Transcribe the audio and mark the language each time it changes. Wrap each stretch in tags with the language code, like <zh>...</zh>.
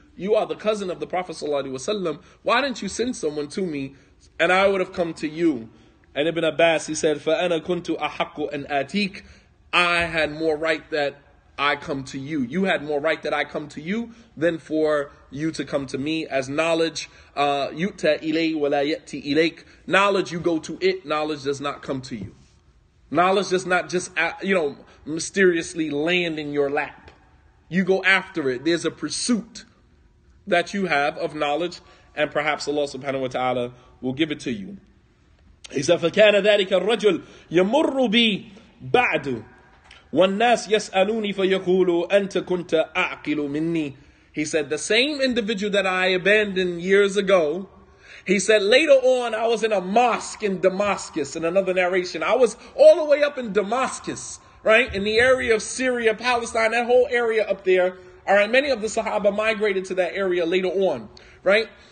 <en>You are the cousin of the Prophet ﷺ. Why didn't you send someone to me and I would have come to you? And Ibn Abbas, he said,</en> <ar>فَأَنَا كُنْتُ أَحَقُّ أَنْ أَتِيكَ.</ar> <en>I had more right that I come to you. You had more right that I come to you than for you to come to me. As knowledge,</en> <ar>يُؤْتَى إِلَيْهِ وَلَا يَأْتِي إِلَيْكَ.</ar> <en>Knowledge, you go to it. Knowledge does not come to you. Knowledge does not just, you know, mysteriously land in your lap. You go after it. There's a pursuit that you have of knowledge, and perhaps Allah subhanahu wa ta'ala will give it to you. He said,</en> <ar>فَكَانَ ذَلِكَ الرَّجُلْ يَمُرُّ بِي بَعْدُ وَالنَّاسْ يَسْأَلُونِي فَيَقُولُوا أَنْتَ كُنْتَ أَعْقِلُ مِنِّي.</ar> <en>He said, the same individual that I abandoned years ago, he said, later on, I was in a mosque in Damascus, in another narration. I was all the way up in Damascus, right? In the area of Syria, Palestine, that whole area up there. All right, many of the Sahaba migrated to that area later on, right?</en>